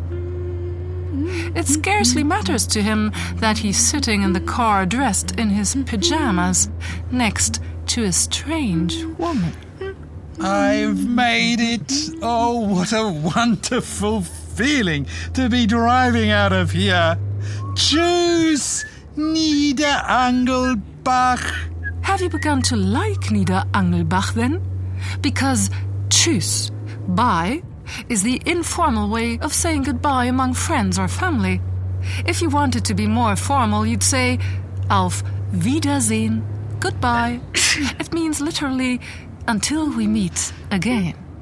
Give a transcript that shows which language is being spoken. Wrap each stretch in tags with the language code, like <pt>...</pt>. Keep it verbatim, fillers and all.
<en>It scarcely matters to him that he's sitting in the car dressed in his pajamas, next to a strange woman. I've made it! Oh, what a wonderful feeling to be driving out of here!</en> <de>Tschüss, Niederangelbach!</de> <en>Have you begun to like Niederangelbach then? Because</en> <de>tschüss,</de> <en>bye, is the informal way of saying goodbye among friends or family. If you wanted to be more formal, you'd say</en> <de>auf Wiedersehen,</de> <en>goodbye. It means literally until we meet again.</en>